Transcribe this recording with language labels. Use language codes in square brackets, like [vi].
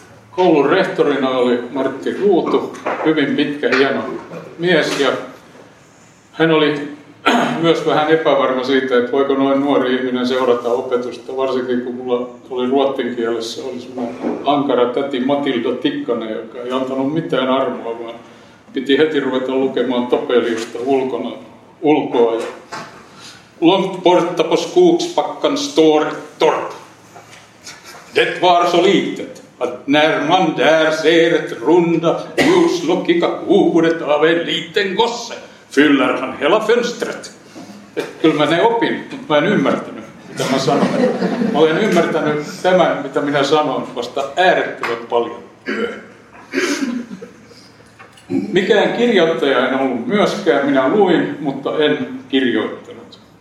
[fi] Koulun rehtorina oli Martti Ruutu, hyvin pitkä hieno mies ja hän oli myös vähän epävarma siitä, että voiko noin nuori ihminen seurata opetusta, varsinkin kun mulla oli ruottinkielessä, oli semmoinen ankara täti Matilda Tikkanen, joka ei antanut mitään armoa, vaan piti heti ruveta lukemaan Topeliusta ulkoa. [sv] Långt borta på skogsbackan står torp. Det var så litet, att när man där ser ett runda ljus lockiga huvudet av en liten gosse, fyller han hela fönstret. [fi] Kyllä mä ne opin, mutta mä en ymmärtänyt, mitä mä sanon. Mä olen ymmärtänyt tämän, mitä minä sanon, vasta äärettömän paljon. Mikään kirjoittaja en ollut myöskään. Minä luin, mutta en kirjoittanut.